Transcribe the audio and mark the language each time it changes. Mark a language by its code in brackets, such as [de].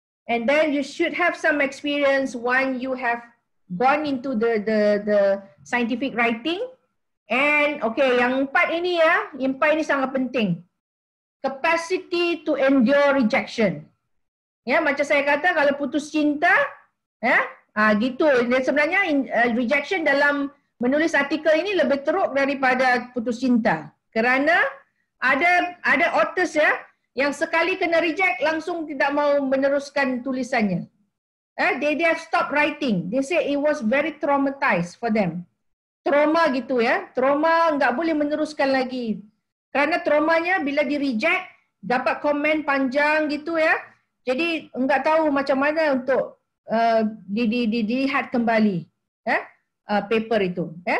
[en] And then you should have some experience when you have gone into the scientific writing. [ms] And okay, yang empat ini sangat penting. [en] Capacity to endure rejection. [ms] Macam saya kata, kalau putus cinta, gitu. Dan sebenarnya rejection dalam menulis artikel ini lebih teruk daripada putus cinta. Kerana ada authors yang sekali kena reject, langsung tidak mau meneruskan tulisannya. [en] They have stopped writing. They say it was very traumatized for them. [ms] Trauma gitu ya. Trauma, enggak boleh meneruskan lagi. Kerana traumanya bila di reject, dapat komen panjang gitu ya. Jadi enggak tahu macam mana untuk dilihat kembali paper itu.